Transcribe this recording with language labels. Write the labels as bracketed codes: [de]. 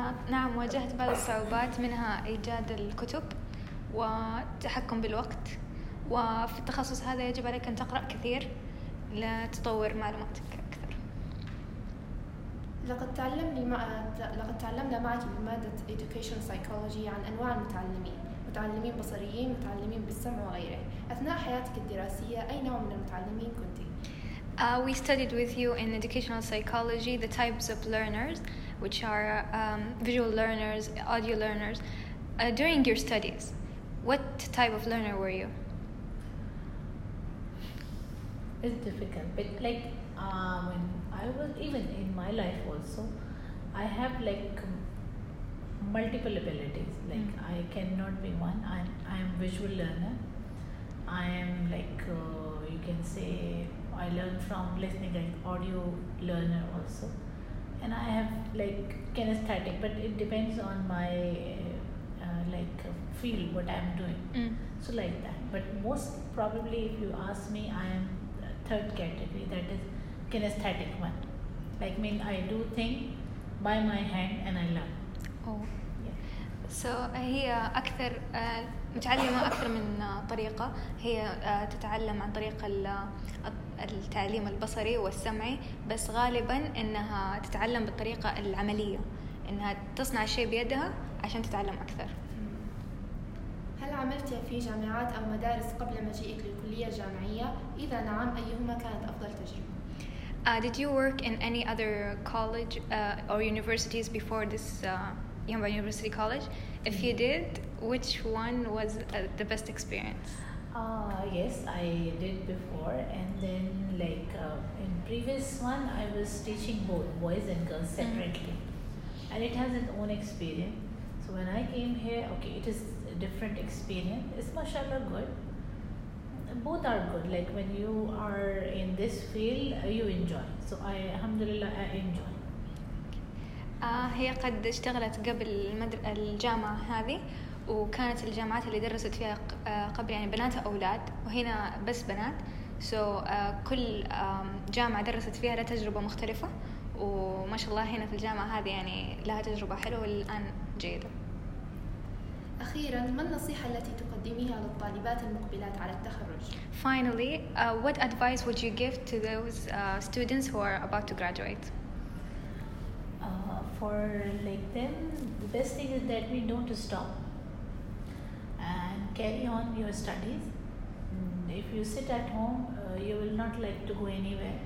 [ar] نعم واجهت بعض الصعوبات منها إيجاد الكتب وتحكم بالوقت، وفي التخصص هذا يجب عليك أن تقرأ كثير لتطور معلوماتك أكثر. لقد تعلمنا معك بمادة Education Psychology عن أنواع المتعلمين، متعلمين بصريين، متعلمين بالسمع وغيره. أثناء حياتك الدراسية أي نوع من المتعلمين كنت؟ [en] We studied with you in Educational Psychology the types of learners, which are visual learners, audio learners. During your studies, what type of learner were you? It's difficult, but like when I was, even in my life also, I have like multiple abilities. Like I cannot be one. I am visual learner. I am like you can say I learn from listening, like audio learner also. And I have like kinesthetic, but it depends on my like feel what I'm doing. So like that. But most probably if you ask me, I am third category, that is kinesthetic one. Like mean I do thing by my hand and I learn. Oh. [ar] So هي أكثر متعلمة أكثر من طريقة، هي تتعلم عن طريق التعليم البصري والسمعي، بس غالبا إنها تتعلم بالطريقة العملية، إنها تصنع شيء بيدها عشان تتعلم أكثر. هل عملت في جامعات أو مدارس قبل مجيئك للكلية الجامعية؟ إذا نعم أيهما كانت أفضل تجربة؟ [en] Did you work in any other college or universities before this Yanbu University College? If you did, which one was the best experience? Yes, I did before, and then like in previous one, I was teaching both boys and girls separately, and it has its own experience. So when I came here, okay, it is a different experience. It's mashallah good. Both are good. Like when you are in this field, you enjoy. So I, alhamdulillah, I enjoy. [ar] هي قد اشتغلت قبل الجامعة هذه، وكانت الجامعات اللي درست فيها قبل يعني بنات أولاد، وهنا بس بنات. so كل جامعة درست فيها لها تجربة مختلفة، وما شاء الله هنا في الجامعة هذه يعني لها تجربة حلوة والآن جيدة. أخيرا ما النصيحة التي تقدميها للطالبات المقبلات على التخرج؟ [en] finally what advice would you give to those students who are about to graduate? For like them, the best thing is that we don't stop and carry on your studies. If you sit at home, you will not like to go anywhere.